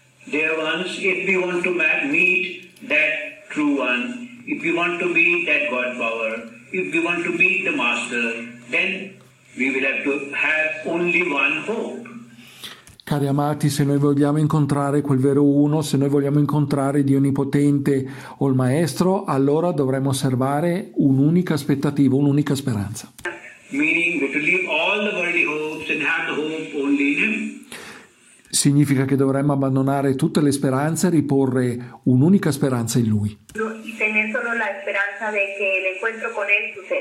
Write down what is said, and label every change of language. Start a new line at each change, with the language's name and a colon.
English: Dear ones, if we want to meet that True One, if we want to meet that God Power, if we want to meet the Master, then we will have to have only one hope.
Italian: Cari amati, se noi vogliamo incontrare quel vero Uno, se noi vogliamo incontrare Dio Onnipotente o il Maestro, allora dovremo osservare un'unica aspettativa, un'unica speranza.
English: Meaning we have to leave all the worldly hopes and have the hope only in Him.
Italian: Significa che dovremmo abbandonare tutte le speranze e riporre un'unica speranza in Lui.
Spanish: Tener solo la esperanza de que el encuentro con Él